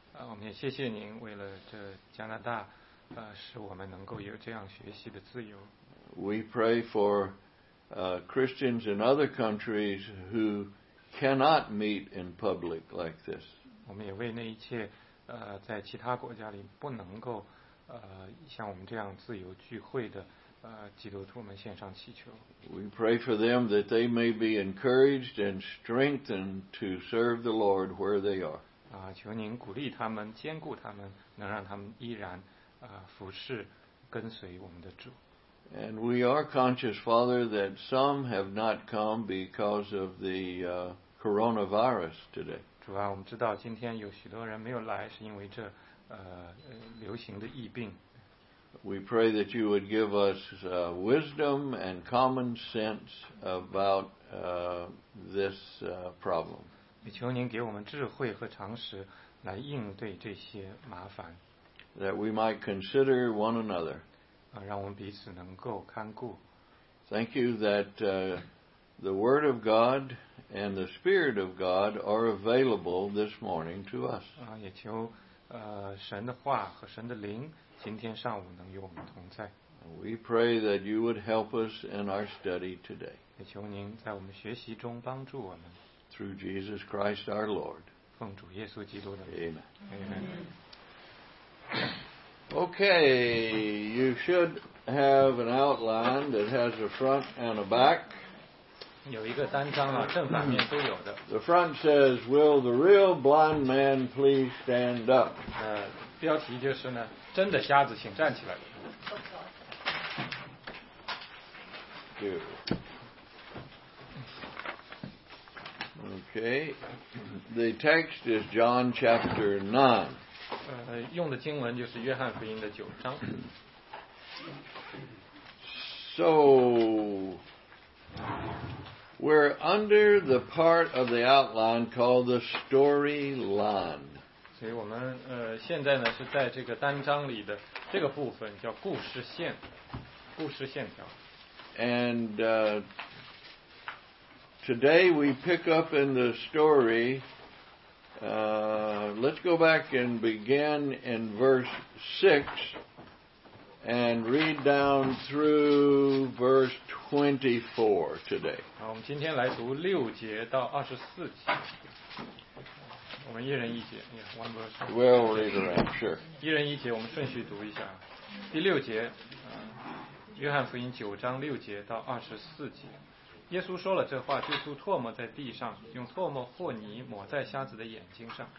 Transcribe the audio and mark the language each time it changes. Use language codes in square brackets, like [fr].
[zh] 我们也谢谢您为了这加拿大，使我们能够有这样学习的自由。 [en] We pray for Christians in other countries who cannot meet in public like this. [zh] 我们也为那一切在其他国家里不能够像我们这样自由聚会的基督徒们献上祈求。 [en] We pray for them that they may be encouraged and strengthened to serve the Lord where they are. [zh] 求您鼓励他们，坚固他们，能让他们依然服侍跟随我们的主。 [en] And we are conscious, Father, that some have not come because of the coronavirus today. [zh] 主啊，我们知道今天有许多人没有来，是因为这流行的疫病。 [en] We pray that you would give us wisdom and common sense about this problem. [zh] 也求您给我们智慧和常识来应对这些麻烦。 [en] That we might consider one another. [zh] 让我们彼此能够看顾。 [en] Thank you that the Word of God and the Spirit of God are available this morning to us. [zh] 也求神的话和神的灵今天上午能与我们同在。 [en] We pray that you would help us in our study today. [zh] 也求您在我们学习中帮助我们。 [en] Through Jesus Christ our Lord. [zh] 奉主耶稣基督的名。Amen. [en] Amen. Okay, you should have an outline that has a front and a back. [zh] 有一个单张啊，正反面都有的。 [en] The front says, "Will the real blind man please stand up?" [zh] 标题就是呢，真的瞎子请站起来。 [en] Okay, the text is John chapter 9. [zh] 用的经文就是约翰福音的九章。 [en] So, we're under the part of the outline called the storyline. [zh] 所以我们现在呢是在这个单章里的这个部分叫故事线，故事线条。 [en] And today we pick up in the story. Let's go back and begin in verse 6 and read down through verse 24 today. [zh] 好，我们今天来读六节到二十四节。我们一人一节。 [en] We'll read around, sure. [zh] 一人一节，我们顺序读一下。第六节，约翰福音九章六节到二十四节。耶稣说了这话，就吐唾沫在地上，用唾沫和泥抹在瞎子的眼睛上，